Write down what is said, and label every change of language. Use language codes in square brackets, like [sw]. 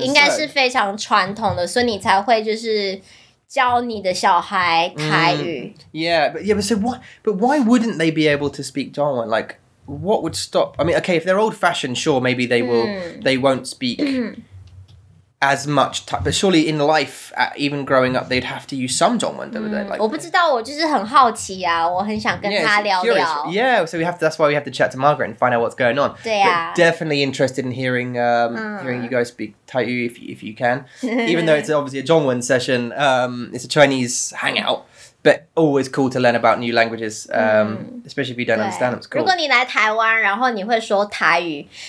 [zh] 应该是非常传统的，所以你才会就是教你的小孩台语。 [en] Yeah, but so what? But why wouldn't they be able to speak Taiwan? Like, what would stop? I mean, okay, if they're old-fashioned, sure, maybe they will. They won't speak as much. But surely in life, even growing up, they'd have to use some Zhongwen, don't they? [zh] Like, 我不知道，我就是很好奇啊，我很想跟他聊聊。 [en] Yeah, so we have to. That's why we have to chat to Margaret and find out what's going on. [zh] 对啊。 [en] But definitely interested in hearing hearing you guys speak Taiyu if you can. Even though it's obviously a Zhongwen session, it's a Chinese hangout. But always cool to learn about new languages, especially if you don't understand them. It's cool. [zh] 如果你来台湾，然后你会说台语。